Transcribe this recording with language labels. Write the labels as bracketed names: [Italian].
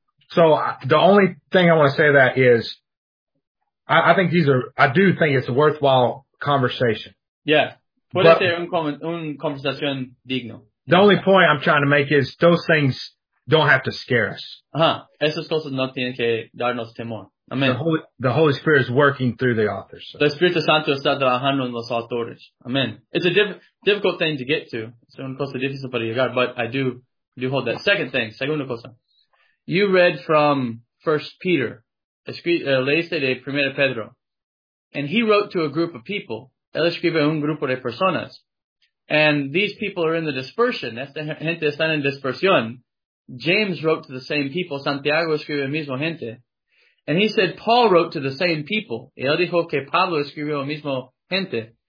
[English] So the only thing I want to say that is, I do think it's a worthwhile conversation. [Spanish] Yeah. Puede ser un conversación digno. [English] The only point I'm trying to make is those things don't have to scare us. [Spanish] Esas cosas no tienen que darnos temor. Amen. [English] The Holy Spirit is working through the authors. [Spanish] El Espíritu Santo está trabajando en los autores. [English] Amen. It's a difficult thing to get to. [Spanish] Es una cosa difícil para llegar, [English] but I do hold that. Second thing, [Spanish] segunda cosa. [English] You read from 1 Peter. [Spanish] Leíste de 1 Pedro. [English] And he wrote to a group of people. [Spanish] Él escribe un grupo de personas. [English] And these people are in the dispersion. [Spanish] Esta gente está en dispersión. [English] James wrote to the same people. [Spanish] Santiago escribe el mismo gente. [English] And he said Paul wrote to the same people. [Spanish] Él dijo que Pablo escribió el mismo gente.